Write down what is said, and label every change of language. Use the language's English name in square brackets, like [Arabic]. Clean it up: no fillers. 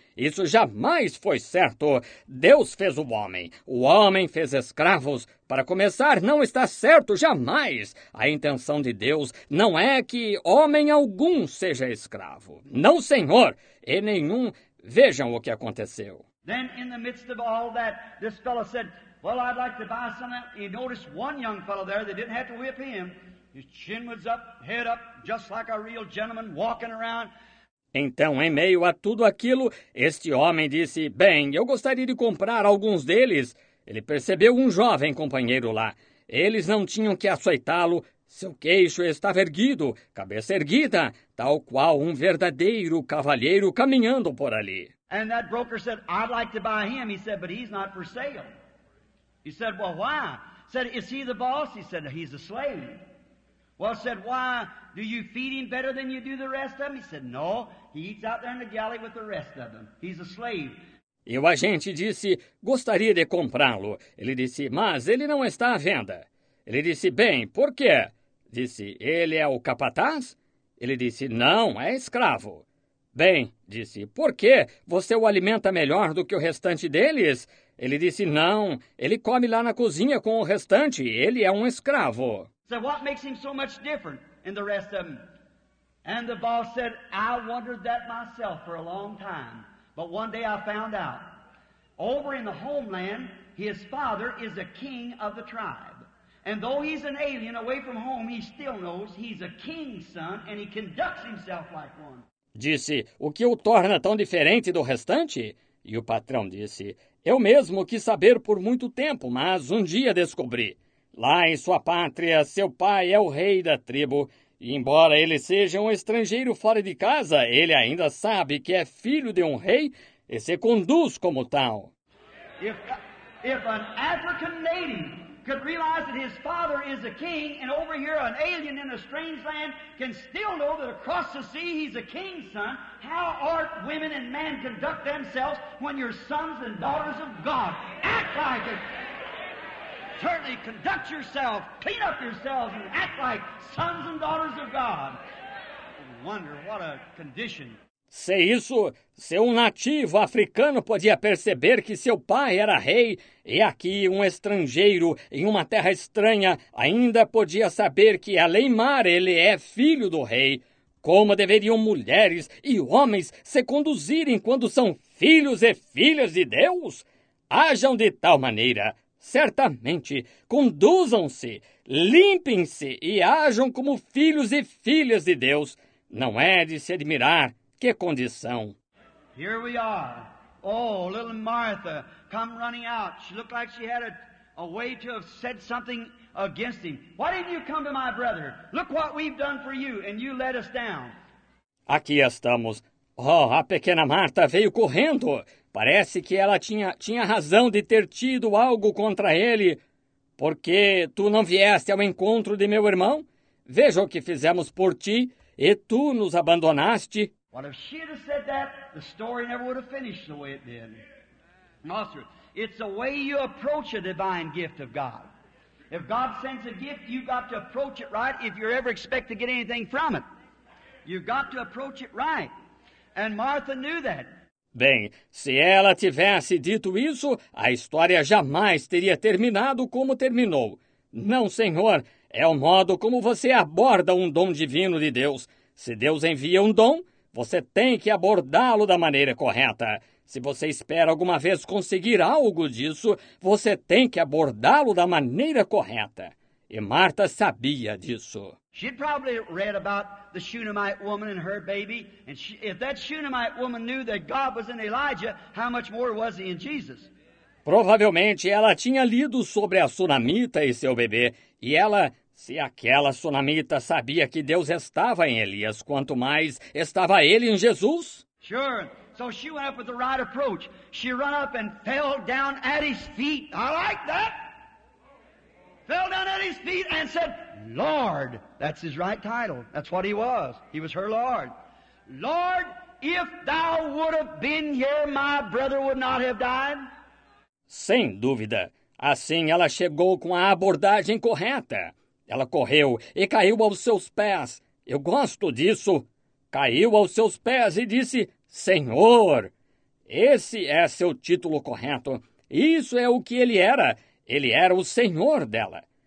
[Portuguese] Isso jamais foi certo. Deus fez o homem. O homem fez escravos. Para começar, não está certo jamais. A intenção de Deus não é que homem algum seja escravo. Não, senhor, e nenhum. Vejam o que aconteceu. [English] Then in the midst of all that, this fellow said, "Well, I'd like to buy some." He noticed one young fellow there. They didn't have to whip him. His chin was up, head up, just like a real gentleman walking around. [Portuguese] Então, em meio a tudo aquilo, este homem disse, "Bem, eu gostaria de comprar alguns deles." Ele percebeu um jovem companheiro lá. Eles não tinham que açoitá-lo. Seu queixo estava erguido, cabeça erguida, tal qual um verdadeiro cavalheiro caminhando por ali. [English] And that broker said, "I'd like to buy him." He said, "But he's not for sale." He said, "Well, why?" Said, "Is he the boss?" He said, "He's a slave." Well, said, "Why, do you feed him better than you do the rest of them?" He said, "No, he eats out there in the galley with the rest of them. He's a slave." [Portuguese] E o agente disse, "Gostaria de comprá-lo." Ele disse, "Mas ele não está à venda." Ele disse, "Bem, por quê?" Disse, "Ele é o capataz?" Ele disse, "Não, é escravo." "Bem," disse, "por quê? Você o alimenta melhor do que o restante deles?" Ele disse, "Não, ele come lá na cozinha com o restante. Ele é um escravo." [English] So what makes him so much different than the rest of them? And the boss said, "I wondered that myself for a long time. But one day I found out. Over in the homeland, his father is a king of the tribe. And though he's an alien away from home, he still knows he's a king's son and he conducts himself like one." [Portuguese] Disse, "O que o torna tão diferente do restante?" E o patrão disse, "Eu mesmo quis saber por muito tempo, mas um dia descobri. Lá em sua pátria, seu pai é o rei da tribo. E embora ele seja um estrangeiro fora de casa, ele ainda sabe que é filho de um rei e se conduz como tal." [English] If an African native could realize that his father is a king, and over here an alien in a strange land can still know that across the sea he's a king's son, how ought women and men conduct themselves when your sons and daughters of God act like it? Certainly conduct yourself, clean up yourselves, and act like sons and daughters of God. Wonder what a condition. [Portuguese] Se isso, se um nativo africano podia perceber que seu pai era rei, e aqui um estrangeiro em uma terra estranha ainda podia saber que Aleimar ele é filho do rei, como deveriam mulheres e homens se conduzirem quando são filhos e filhas de Deus? Ajam de tal maneira, certamente, conduzam-se, limpem-se e ajam como filhos e filhas de Deus. Não é de se admirar. Que condição. [English] Here we are. Oh, little Martha come running out. She looked like she had a a way to have said something against him. Why didn't you come to my brother? Look what we've done for you, and you let us down. [Portuguese] Aqui estamos. Oh, a pequena Marta veio correndo. Parece que ela tinha razão de ter tido algo contra ele. Por que tu não vieste ao encontro de meu irmão? Veja o que fizemos por ti, e tu nos abandonaste. [English] Well, if she had said that, the story never would have finished the way it did. Master, it's the way you approach a divine gift of God. If God sends a gift, you've got to approach it right if you're ever expected to get anything from it. You've got to approach it right. And Martha knew that. [Portuguese] Bem, se ela tivesse dito isso, a história jamais teria terminado como terminou. Não, Senhor, é o modo como você aborda um dom divino de Deus. Se Deus envia um dom, você tem que abordá-lo da maneira correta. Se você espera alguma vez conseguir algo disso, você tem que abordá-lo da maneira correta. E Marta sabia disso. [English] She'd probably read about the Shunammite woman and her baby. And she, if that Shunammite woman knew that God was in Elijah, how much more was he in Jesus? [Portuguese] Provavelmente ela tinha lido sobre a Sunamita e seu bebê. E ela, se aquela Sunamita sabia que Deus estava em Elias, quanto mais estava ele em Jesus? [English] Sure. So she went up with the right approach. She ran up and fell down at his feet. I like that. Fell down at his feet and said, Lord, that's his right title. That's what he was. He was her Lord. Lord, if thou would have been here, my brother would not have died. [Portuguese] Sem dúvida. Assim ela chegou com a abordagem correta. Ela correu e caiu aos seus pés. Eu gosto disso. Caiu aos seus pés e disse, Senhor, esse é seu título correto. Isso é o que ele era. Ele era o Senhor dela.